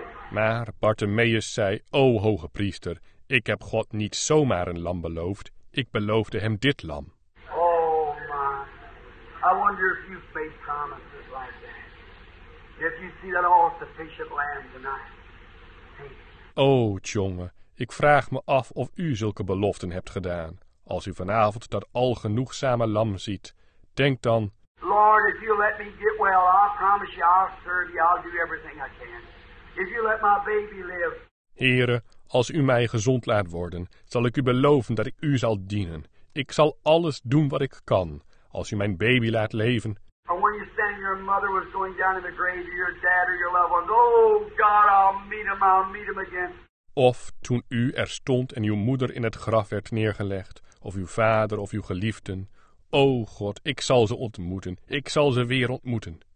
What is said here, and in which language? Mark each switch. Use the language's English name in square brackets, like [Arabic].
[Dutch] Maar Bartimaeus zei, o hoge priester, ik heb God niet zomaar een lam beloofd, ik beloofde hem dit lam. [English] Oh my, I wonder if you've made promises like that. If you see that all-sufficient lamb tonight. [Dutch] Oh, jongen. Ik vraag me af of u zulke beloften hebt gedaan. Als u vanavond dat al genoegzame lam ziet, denk dan, [English] Lord, if you let me get well, I promise you I'll serve you, I'll do everything I can. If you let my baby live. [Dutch] Heere, als u mij gezond laat worden, zal ik u beloven dat ik u zal dienen. Ik zal alles doen wat ik kan, als u mijn baby laat leven. [English] And when you said your mother was going down in the grave, your dad or your loved ones, oh God, I'll meet him again. [Dutch] Of toen u er stond en uw moeder in het graf werd neergelegd, of uw vader of uw geliefden. O God, ik zal ze ontmoeten. Ik zal ze weer ontmoeten.